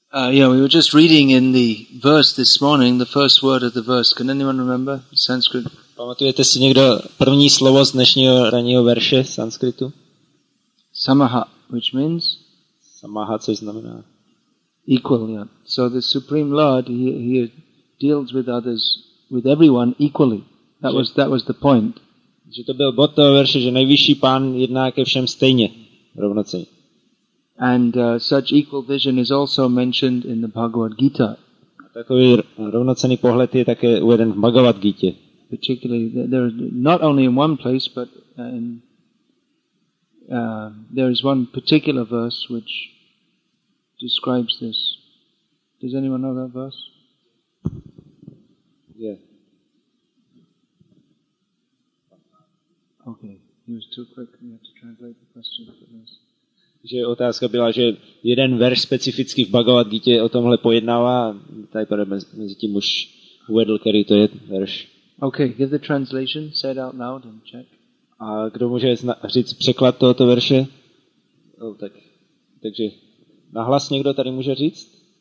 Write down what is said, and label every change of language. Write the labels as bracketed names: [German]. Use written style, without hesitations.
[English] We were just reading in the verse this morning, the first word of the verse. Can anyone remember Sanskrit? [Czech] Pamatujete si někdo první slovo z dnešního ranního verše sanskritu? [English] Samaha, which means? [Czech] Samaha, co znamená? [English] Equal, yeah. So the Supreme Lord, he deals with others, with everyone equally. That was the point. [Czech] Že to byl bod toho verše, že nejvyšší pán jedná ke všem stejně, rovnocenně. [English] And such equal vision is also mentioned in the Bhagavad Gita. [Czech] Takový rovnocenný pohled je také uveden v Bhagavad Gita. [English] Particularly, there is not only in one place, but in, there is one particular verse which describes this. Does anyone know that verse? Yeah. Okay, he was too quick. We have to translate the question for this. [Czech] Že otázka byla, že jeden verš specificky v Bhagavad Gita o tomhle pojednává, tady pro mezi tím už uvedl, který to je verš. [English] Okay, give the translation, say it out loud and check. [Czech] A kdo může říct překlad tohoto verše? [English] Oh, [Czech] takže nahlas někdo tady může říct?